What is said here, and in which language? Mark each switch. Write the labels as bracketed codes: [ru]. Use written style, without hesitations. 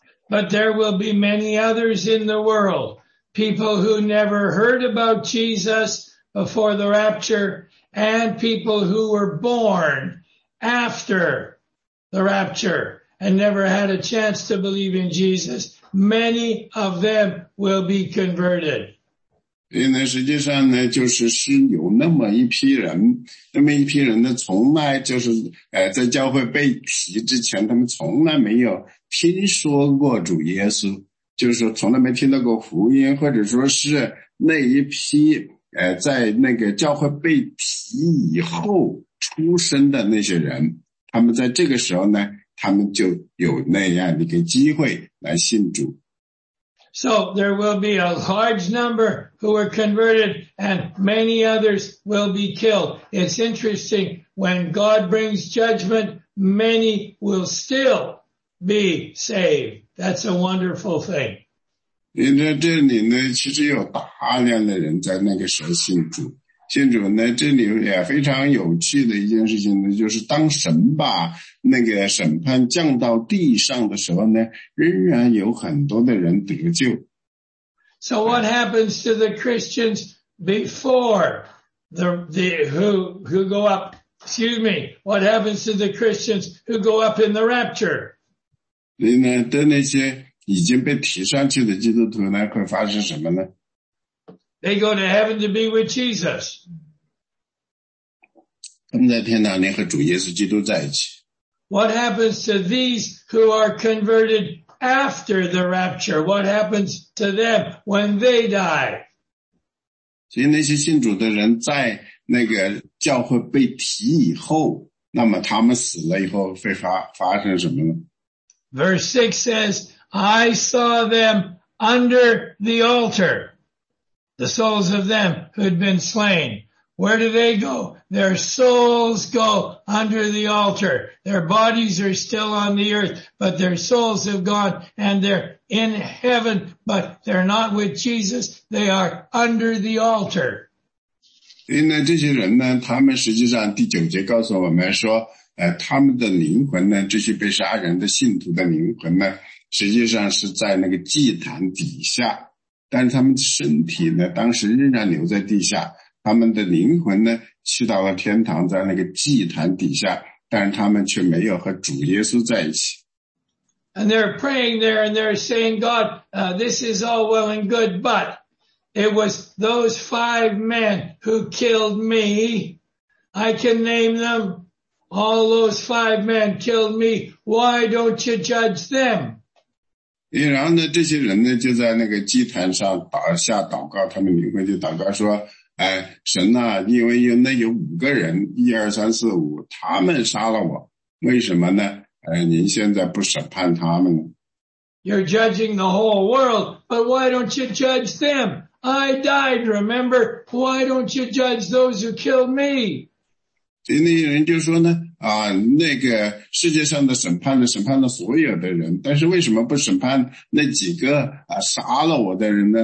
[en] But there will be many others in the world, people who never heard about Jesus before the rapture, and people who were born after the rapture and never had a chance to believe in Jesus, many of them will be converted. [zh] 所以呢，实际上呢，就是是有那么一批人，那么一批人呢，从来就是在教会被提之前，他们从来没有听说过主耶稣，就是从来没听到过福音，或者说是那一批在那个教会被提以后出生的那些人，他们在这个时候呢，他们就有那样的一个机会来信主。 [en] So there will be a large number who were converted and many others will be killed. It's interesting, when God brings judgment, many will still be saved. That's a wonderful thing. [zh] 因为这里呢，其实有大量的人在那个时候信主。信主呢，这里也非常有趣的一件事情呢，就是当神把那个审判降到地上的时候呢，仍然有很多的人得救。 [en] So what happens to the Christians before who go up? Excuse me. What happens to the Christians who go up in the rapture? [zh] 所以呢，对那些已经被提上去的基督徒呢，会发生什么呢？ [en] They go to heaven to be with Jesus. [zh] 他们在天堂里和主耶稣基督在一起。 [en] What happens to these who are converted after the rapture? What happens to them when they die? [zh] 所以那些信主的人在那个教会被提以后，那么他们死了以后会发生什么呢？ [en] Verse 6 says, I saw them under the altar. The souls of them who had been slain. Where do they go? Their souls go under the altar. Their bodies are still on the earth, but their souls have gone and they're in heaven, but they're not with Jesus. They are under the altar. [zh] 所以呢，这些人呢，他们实际上第九节告诉我们说，他们的灵魂呢，这些被杀人的信徒的灵魂呢，实际上是在那个祭坛底下。但是他们身体呢，当时仍然留在地下，他们的灵魂呢，去到了天堂，在那个祭坛底下，但是他们却没有和主耶稣在一起。 [en] And they're praying there and they're saying, God, this is all well and good, but it was those five men who killed me. I can name them. All those five men killed me. Why don't you judge them? [zh] 然后呢，这些人呢就在那个祭坛上倒下祷告，他们灵魂就祷告说：“哎，神呐、啊，因为有那有五个人，一二三四五，他们杀了我，为什么呢？您现在不审判他们呢 [en] ？”You're judging the whole world, but why don't you judge them? I died, remember? Why don't you judge those who killed me? [zh] 所以那些人就说呢。啊，那个世界上的审判呢，审判了所有的人，但是为什么不审判那几个啊杀了我的人呢？